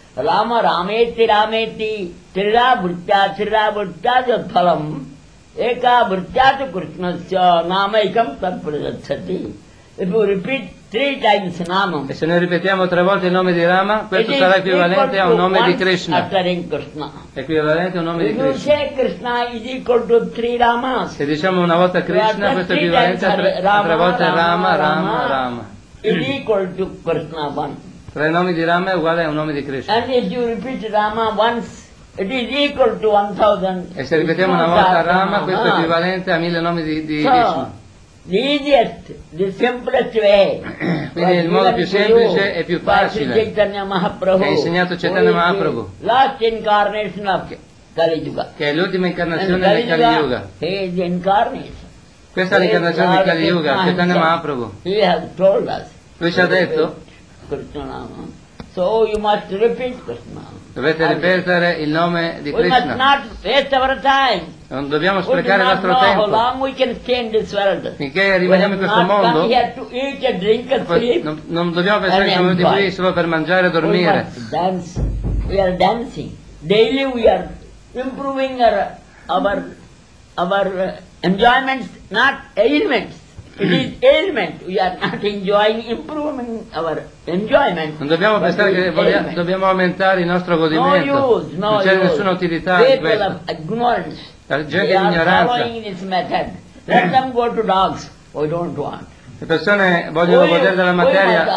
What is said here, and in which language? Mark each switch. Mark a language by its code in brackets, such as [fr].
[sa] Rama Rameti Rameti Trira Vritya Trira Vritya Jathalam Eka Vritya Krishna Sya Namaikam Tarpurajatshati. [en] If you repeat three times Nama, [it] e se noi ripetiamo tre volte il nome di Rama, questo sarà equivalente a un nome di Krishna. Equivalente a un nome di Krishna. [en] If you say Krishna is equal to three Ramas, [it] se diciamo una volta Krishna, questo è equivalente a tre volte Rama, Rama, Rama. [en] Is equal to Krishna one. [it] Tre nomi di Rama è uguale a un nome di Krishna. [en] And if you repeat Rama once, it is equal to 1,000. [it] E se ripetiamo una volta Rama, questo è equivalente a 1,000 nomi di Krishna. [en] So, the easiest, the simplest way. [it] Quindi il modo più semplice e più facile. Che Chaitanya Mahaprabhu. Che ha insegnato Chaitanya Mahaprabhu. [en] Last incarnation of Kali Yuga. [it] Che è l'ultima incarnazione di Kali Yuga. [en] He is incarnation. [it] Questa è l'incarnazione di Kali Yuga, Chaitanya Mahaprabhu. [en] He has told us. [it] Lui ci ha detto. [en] Krishna Nama. So you must repeat Krishna. [it] Dovete ripetere il nome di Krishna. [en] We must not waste our time. [it] Non dobbiamo sprecare il nostro tempo. [en] How long we can stay in this world. [it] Finché rimaniamo in questo mondo. [en] We have to eat and drink and sleep. [it] Non dobbiamo pensare che siamo venuti qui solo per mangiare e dormire. [en] We must dance. We are dancing. Daily we are improving our enjoyments, not ailments. It is ailment. We are not enjoying, improving our enjoyment. [it] Non dobbiamo pensare che dobbiamo aumentare il nostro godimento. [en] No use, no [it] non c'è [en] use. [it] Nessuna utilità [en] people [it] in questo. [en] People of ignorance. [it] La gente di ignoranza. [en] They are following this method. Let them go to dogs. We don't want. [it] Le persone vogliono godere della materia.